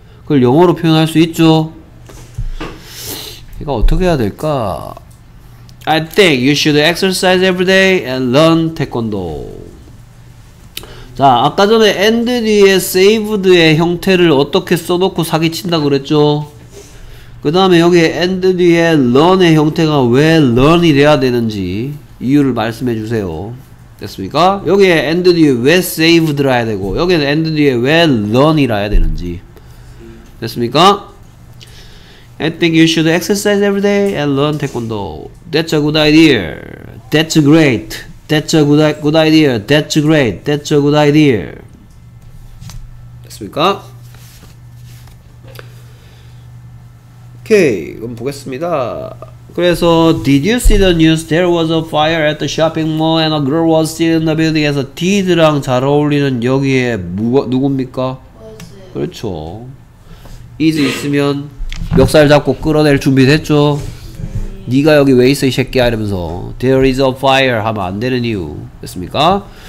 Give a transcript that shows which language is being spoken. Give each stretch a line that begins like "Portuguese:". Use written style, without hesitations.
Korean: 그걸 영어로 표현할 수 있죠. 내가 어떻게 해야 될까?
English: I think you should exercise every day and learn taekwondo.
Korean: 자, 아까 전에 end 뒤에 saved의 형태를 어떻게 써놓고 사기친다고 그랬죠? 그 다음에 여기 end 뒤에 learn의 형태가 왜 learn이 돼야 되는지 이유를 말씀해 주세요. 됐습니까? 여기에 end 뒤에 왜 saved라 해야 되고 여기에 end 뒤에 왜 learn이라 해야 되는지. 됐습니까?
English: I think you should exercise every day and learn taekwondo. That's a good idea. That's great. That's a good idea. That's great. That's a good idea.
Korean: 됐습니까?
English: Okay,
Korean: 그럼 보겠습니다. 그래서
English: Did you see the news? There was a fire at the shopping mall and a girl was still in the building.
Korean: 그래서 did랑 잘 어울리는 여기에 누굽니까? 그렇죠. Is 있으면 멱살 잡고 끌어낼 준비 됐죠? 니가 여기 왜 있어 이 새끼야 이러면서
English: There is a fire
Korean: 하면 안 되는 이유 됐습니까?